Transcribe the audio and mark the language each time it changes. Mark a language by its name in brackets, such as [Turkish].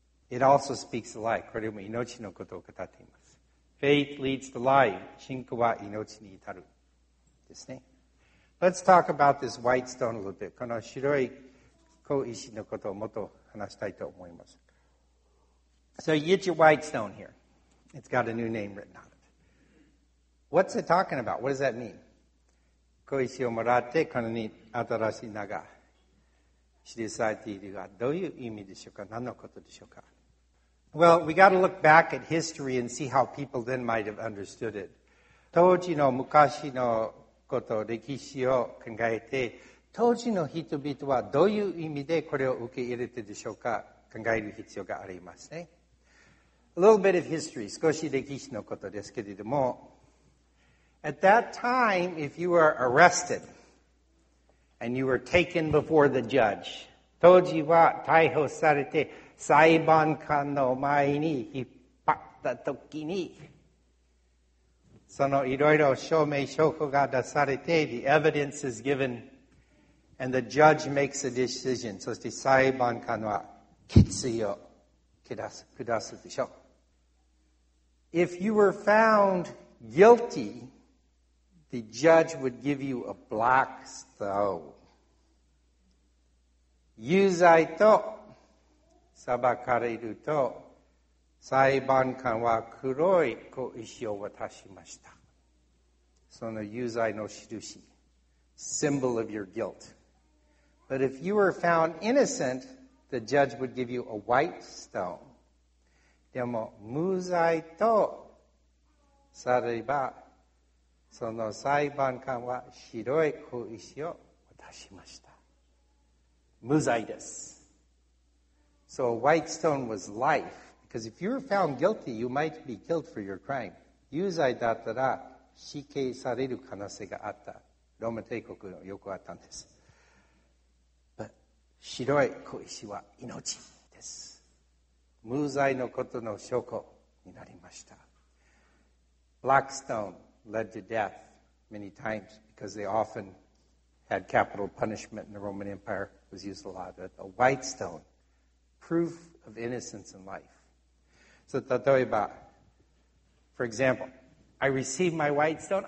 [English] It also speaks of life. [Japanese] これも命のことを語っています。 [English] Faith leads to life. [Japanese] 信仰は命に至る。ですね、 [English] Let's talk about this white stone a little bit. [Japanese] この白い小石のことをもっと話したいと思います。 [English] So you get your white stone here. It's got a new name written on it. What's it talking about? What does that mean? [Japanese] 小石をもらって、このに新しい名が記されているが、どういう意味でしょうか?何のことでしょうか? [English] Well, we got to look back at history and see how people then might have understood it. [Japanese] 当時の昔のこと歴史を考えて当時の人々はどういう意味でこれを受け入れてでしょうか考える必要がありますね [English] A little bit of history [Japanese] 少し歴史のことですけれども [English] At that time if you were arrested and you were taken before the judge [Japanese] 当時は逮捕されて裁判官の前に引っ張った時にそのいろいろ証明証拠が出されて、 [English] the evidence is given, and the judge makes a decision. [Japanese] そして裁判官は決意を下すでしょう。 [English] If you were found guilty, the judge would give you a black stone. [Japanese] 有罪と裁かれると、裁判官は黒い小石を渡しました。その有罪の印、 [English] symbol of your guilt. But if you were found innocent, the judge would give you a white stone. [Japanese] でも、無罪とされば、その裁判官は白い小石を渡しました。無罪です。 [English] So a white stone was life. Because if you were found guilty, you might be killed for your crime. [Japanese] 有罪だったら死刑される可能性があった。ローマ帝国のよくあったんです。But 白い小石は命です。無罪のことの証拠になりました。 [English] Black stone led to death many times because they often had capital punishment in the Roman Empire. It was used a lot. But a white stone, proof of innocence in life. So, 例えば, for example, I received my white stone.